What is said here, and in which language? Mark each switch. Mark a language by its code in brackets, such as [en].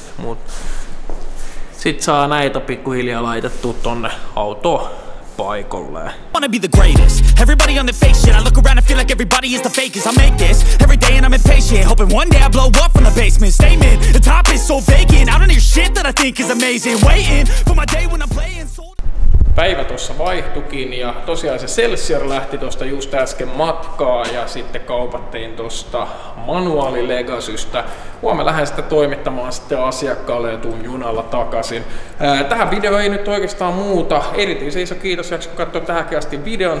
[fi] Mut sit saa näitä pikkuhiljaa laitettua tonne autoon paikolle. [en] Wanna be the greatest. Everybody on the face shit. I look around and feel like everybody is the fakest. I make this every day and I'm impatient. Hoping one day I blow up from the basement. Statement. The top is so vacant. I don't hear shit that I think is amazing. Waiting for my day when I'm playing so... [fi] Päivä tossa vaihtukin ja tosiaan se Celsior lähti tosta just äsken matkaa ja sitten kaupattiin tosta manuaali Legacystä. Huomenna lähden sitä toimittamaan sitten asiakkaalle ja tuun junalla takaisin. Tähän video ei nyt oikeastaan muuta. Erityisen iso kiitos, jaksi kun katsoit tähänkin asti videon.